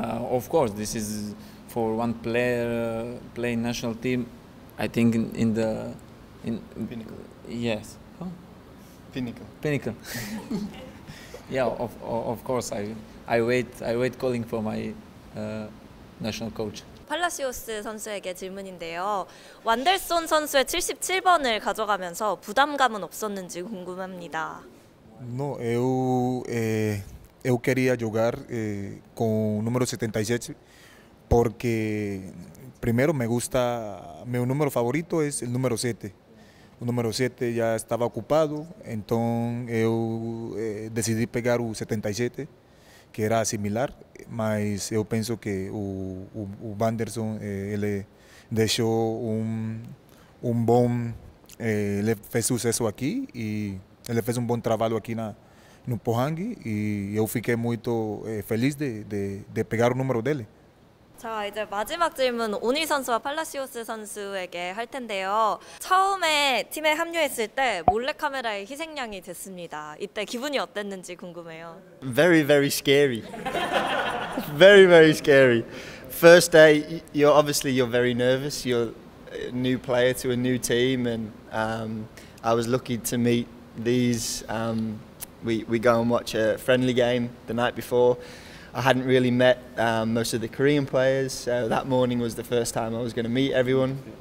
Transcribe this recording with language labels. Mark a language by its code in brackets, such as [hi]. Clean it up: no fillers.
[en] Of course, this is for one player playing national team. I think in pinnacle. Yes. Oh. Pinnacle. Yeah. Of course. I wait calling for my national coach. [ko] 팔라시오스 선수에게 질문인데요. 완델손 선수의 77번을 가져가면서 부담감은 없었는지 궁금합니다. [pt] No, eu Eu queria jogar com o número 77 porque, primeiro, [es] me gusta. [pt] Meu número favorito é o número 7. O número 7 já estava ocupado, então eu decidi pegar o 77, que era similar, mas eu penso que o Wanderson ele deixou um bom. Ele fez sucesso aqui e ele fez um bom trabalho aqui na. No Pohang, e eu fiquei muito feliz de pegar o número dele. [ko] 자, 이제 마지막 질문 오니 선수와 팔라시오스 선수에게 할 텐데요. 처음에 팀에 합류했을 때 몰래 카메라의 희생양이 됐습니다. 이때 기분이 어땠는지 궁금해요. [en] Very, very scary. Very, very scary. First day, you're obviously you're very nervous. You're a new player to a new team, and I was lucky to meet these. We go and watch a friendly game the night before. I hadn't really met most of the Korean players, so that morning was the first time I was going to meet everyone.